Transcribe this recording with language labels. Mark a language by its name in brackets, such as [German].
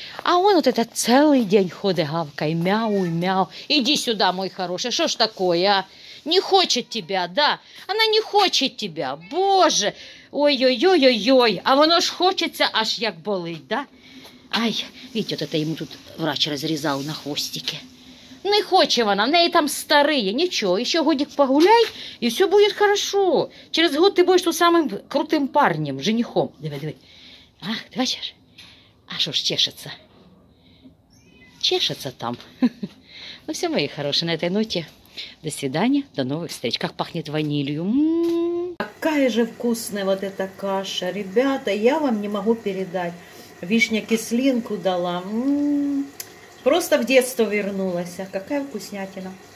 [Russian] А он вот это целый день ходит гавкой, мяу, мяу. Иди сюда, мой хороший, что ж такое, а? Не хочет тебя, да? Она не хочет тебя, боже. [Ukrainian] Ой-ой-ой-ой-ой. А воно ж хочется, аж як болить, да? [Russian] Ай, видите, вот это ему тут врач разрезал на хвостике. [Ukrainian] Не хоче вона, в неї там старые, нічого, ще годик погуляй, і все буде хорошо. Через год ти будеш тут самим крутим парнем, женихом. Диви, диви. А, ти бачиш? А що ж чешеться? Чешеться там. Ну все, мої хороші, на цій ноті. [Russian] До свидания, до новых встреч. Как пахнет ванилью. Какая же вкусная вот эта каша. Ребята, я вам не могу передать. Вишня кислинку дала. Просто в детство вернулась. Какая вкуснятина.